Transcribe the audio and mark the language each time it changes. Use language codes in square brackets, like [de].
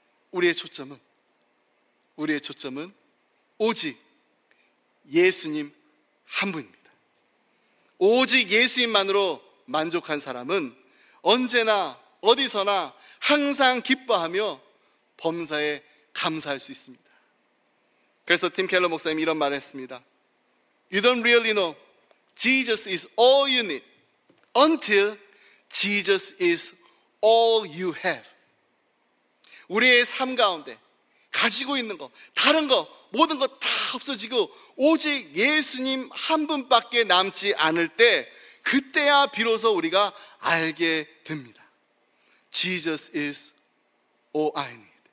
[ko] 우리의 초점은 오직 예수님 한 분입니다. 오직 예수님만으로 만족한 사람은 언제나 어디서나 항상 기뻐하며 범사에 감사할 수 있습니다. 그래서 팀 켈러 목사님이 이런 말을 했습니다. [en] You don't really know. Jesus is all you need until Jesus is all you have. [ko] 우리의 삶 가운데 가지고 있는 거, 다른 거, 모든 거 다 없어지고 오직 예수님 한 분밖에 남지 않을 때 그때야 비로소 우리가 알게 됩니다. [en] Jesus is all I need.